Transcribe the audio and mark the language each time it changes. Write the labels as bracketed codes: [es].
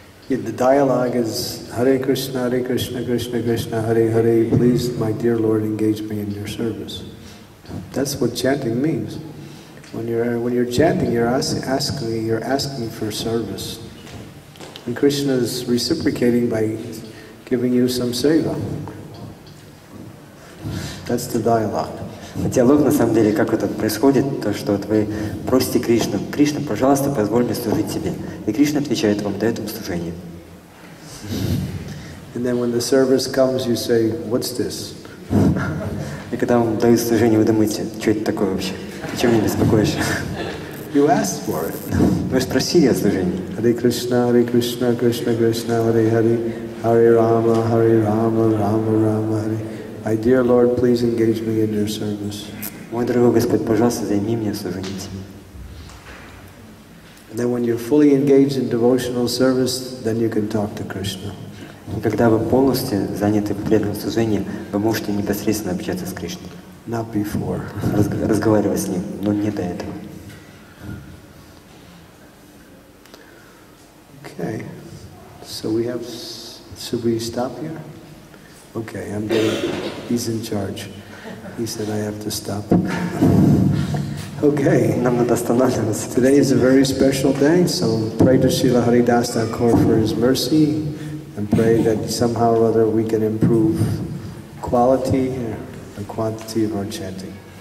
[en] Yeah, the dialogue is Hare Krishna, Hare Krishna, Krishna Krishna, Hare Hare, please, my dear Lord, engage me in your service. That's what chanting means. When you're chanting, you're asking for service. And Krishna is reciprocating by giving you some seva. That's the dialogue. [ru] Диалог, на самом деле, как это происходит, то, что вот вы просите Кришну, Кришна, пожалуйста, позволь мне служить тебе. И Кришна отвечает вам, дает вам служение. [en] And then when the service comes, you say, what's this? [ru] И когда вам дают служение, вы думаете, что это такое вообще? Ты чем не беспокоишь? [en] You asked for it. [ru] Вы спросили о служении. [en] Hare Krishna, Hare Krishna, Krishna Krishna, Hare Hare, Hare Rama, Hare Rama, Rama Rama, Hare. My dear Lord, please engage me in your service. [ru] Мой дорогой Господь, пожалуйста, займи меня в служении тебе. [en] And then when you're fully engaged in devotional service, then you can talk to Krishna. [ru] И когда вы полностью заняты преданным служением, вы можете непосредственно общаться с Кришной. [en] Not before. [ru] Разговаривай с ним, но не до этого. [en] Okay. So we have. Should we stop here? Okay. I'm getting. He's in charge. He said I have to stop. Okay. [ru] Нам надо останавливаться. [en] Today is a very special day, so pray to Srila Haridas Thakur for his mercy, and pray that somehow or other we can improve quality and quantity of our chanting.